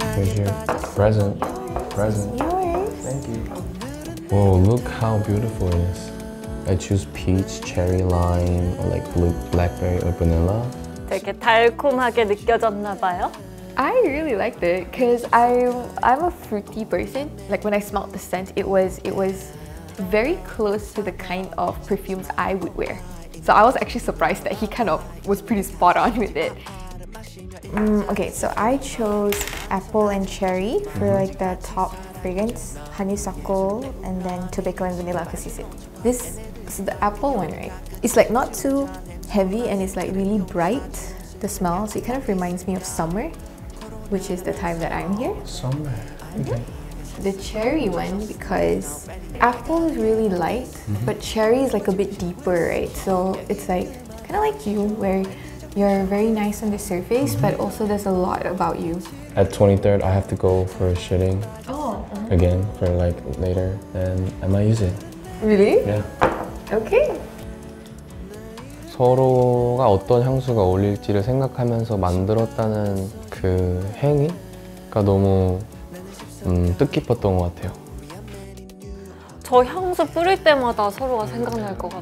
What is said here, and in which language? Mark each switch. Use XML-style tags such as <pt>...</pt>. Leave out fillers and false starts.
<en>Present. Thank you. Whoa, look how beautiful it is. I choose peach, cherry, lime, or like blue, blackberry, or vanilla.</en> <ko>되게 달콤하게 느껴졌나 봐요.</ko> <en>I really liked it because I'm a fruity person. Like when I smelled the scent, it was very close to the kind of perfumes I would wear. So I was actually surprised that he kind of was pretty spot on with it. Okay, so I chose apple and cherry for like the top fragrance, honeysuckle, and then tobacco and vanilla because you said this. So the apple one, right? It's like not too heavy and it's like really bright, the smell. So it kind of reminds me of summer, which is the time that I'm here. Summer. Okay. The cherry one because apple is really light, but cherry is like a bit deeper, right? So it's like kind of like you where. You're very nice on the surface, but also there's a lot about you. At 23rd, I have to go for a shooting. Oh. Uh-huh. Again, for like later, and I might use it. Really? Yeah. Okay.</en> <ko>서로가 어떤 향수가 어울릴지를 생각하면서 만들었다는 그 행위가 너무 뜻깊었던 것 같아요. 저 향수 뿌릴 때마다 서로가 생각날 것 같아요.</ko>